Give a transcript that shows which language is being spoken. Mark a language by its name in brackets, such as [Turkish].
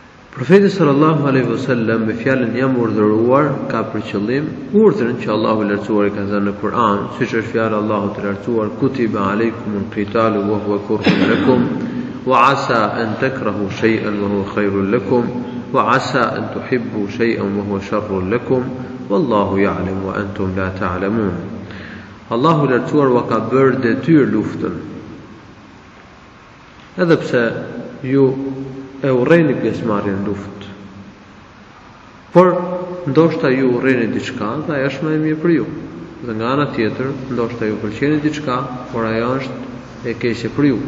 [Albanian] Profeti sallallahu alaihi wasallam me fjalën jam urdhëruar ka për qëllim urdhrin që Allahu i lartësuar i ka dhënë në Kur'an, siç është fjala e Allahut e lartësuar: [Arabic] kutiba aleikumul qitalu wa huwa kurhun lakum wa asa an takrahu shay'an wa huwa khairul lakum وعسى أن تحبوا شيئا وهو شر لكم والله يعلم وأنتم لا تعلمون. [Albanian] Allahu lartuar wa ka bërë detyrë luftën, edhe pse ju e urreni pjesëmarrjen luftë, por ndoshta ju urreni diçka dhe ajo është më e mirë për ju, dhe nga ana tjetër ndoshta ju pëlqeni diçka por ajo është e keqe për ju.